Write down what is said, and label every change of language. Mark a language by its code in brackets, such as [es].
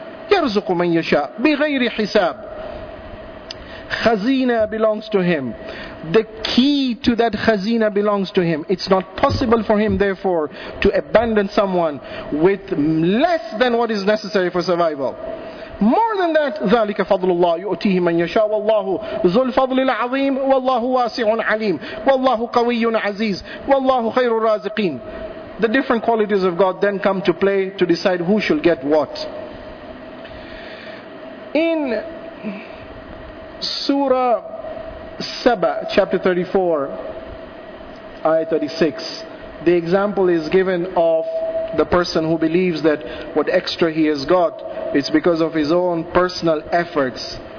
[ar] يَرْزُقُ مَنْ يَشَاءُ بِغَيْرِ حِسَابٍ. [en] Khazina belongs to him. The key to that khazina belongs to him. It's not possible for him, therefore, to abandon someone with less than what is necessary for survival. More than that, [ar] ذَلِكَ فَضْلُ اللَّهِ يُؤْتِيهِ مَنْ يَشَاءُ وَاللَّهُ ذُو الْفَضْلِ الْعَظِيمِ وَاللَّهُ وَاسِعٌ عَلِيمٌ وَاللَّهُ قَوِيٌّ عَزِيزٌ وَاللَّهُ خَيْرُ الرَّازِقِينَ. [en] The different qualities of God then come to play to decide who should get what. In Surah Saba, chapter 34, ayah 36, the example is given of the person who believes that what extra he has got, it's because of his own personal efforts.